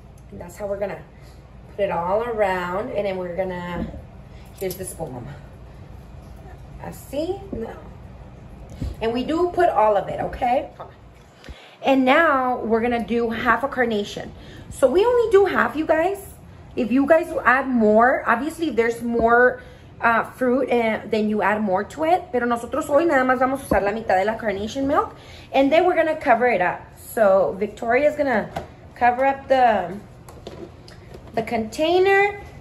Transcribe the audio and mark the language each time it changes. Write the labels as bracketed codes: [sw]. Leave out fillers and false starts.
[en] And that's how we're gonna put it all around, and then we're gonna, here's the spoon, mama. [es] Así, no. [en] And we do put all of it, okay? And now we're gonna do 1/2 a carnation. So we only do 1/2, you guys. If you guys add more, obviously there's more fruit, and then you add more to it. [es] Pero nosotros hoy nada más vamos a usar la mitad de la carnation milk. [en] And then we're gonna cover it up. So Victoria is gonna cover up the container.